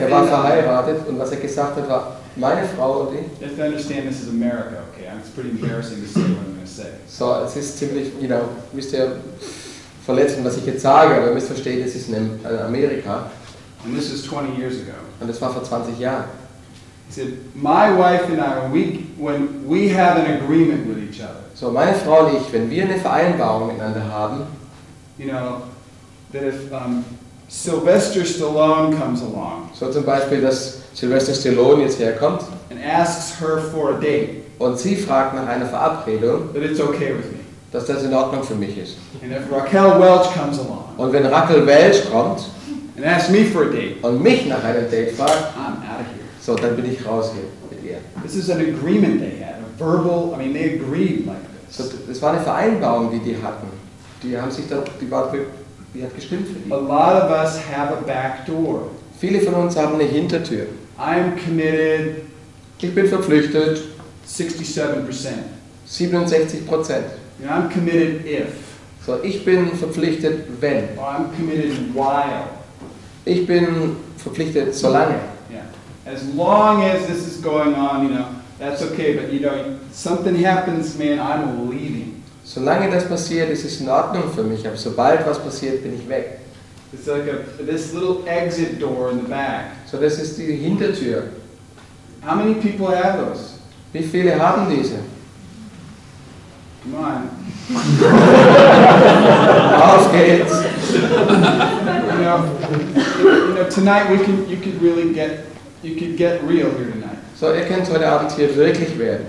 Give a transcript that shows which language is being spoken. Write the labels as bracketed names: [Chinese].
[German] Er war verheiratet, und was er gesagt hat, war meine Frau und ich. [English] If you understand, this is America, okay? It's pretty embarrassing to say what I'm going to say. [German] So, es ist ziemlich, you know, müsst ihr verletzen, was ich jetzt sage, aber ihr müsst verstehen, es ist in Amerika. [English] And this is 20 years ago. [German] Und das war vor 20 Jahren. [English] He said, my wife and I, when we have an agreement with each other. [German] So, meine Frau und ich, wenn wir eine Vereinbarung miteinander haben. [English] You know, that if Sylvester Stallone comes along. [German] So zum Beispiel, dass Sylvester Stallone jetzt herkommt. [English] And asks her for a date. [German] Und sie fragt nach einer Verabredung. [English] That it's okay with me. [German] Dass das in Ordnung für mich ist. [English] And if Raquel Welch comes along. [German] Und wenn Raquel Welch kommt. [English] And asks me for a date. [German] Und mich nach einem Date fragt. [English] I'm out of here. [German] So dann bin ich raus hier mit ihr. [English] This is an agreement they had. A verbal, I mean they agreed like this. [German] So das war eine Vereinbarung, die die hatten. Die haben sich da, die waren. Die hat gestimmt für die. [English] A lot of us have a back door. [German] Viele von uns haben eine Hintertür. [English] I'm committed. [German] Ich bin verpflichtet. [English] 67%. [German] 67%. [English] And I'm committed if. [German] So, ich bin verpflichtet, wenn. [English] Or I'm committed while. [German] Ich bin verpflichtet, solange. [English] Yeah. As long as this is going on, you know, that's okay. But you know, something happens, man, I'm leaving. [German] Solange das passiert, ist es in Ordnung für mich, aber sobald was passiert, bin ich weg. [English] It's like this little exit door in the back. [German] So das ist die Hintertür. [English] How many people have those? [German] Wie viele haben diese? [English] Come on. [German] Auf geht's. [English] You know, tonight you could really get, you could get real here tonight. [German] So ihr könnt heute Abend hier wirklich werden.